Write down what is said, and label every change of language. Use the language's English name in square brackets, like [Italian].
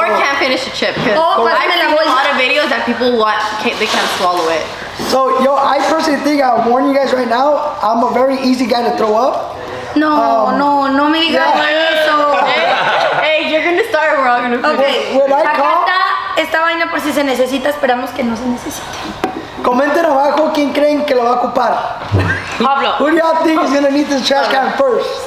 [English] Or so, can't finish a chip. Because I've seen a lot of videos that people watch, they can't swallow it. So, yo, I personally think I'll warn you guys right now, I'm a very easy guy to throw up. [Spanish] No, no me digas eso. [English] Hey, you're gonna start and we're all gonna finish. [Spanish] Okay, acá está esta vaina por si se necesita, esperamos que no se necesite. Comenten abajo quién creen que lo va a ocupar. Pablo. [English] Who do you think is gonna need this trash can first?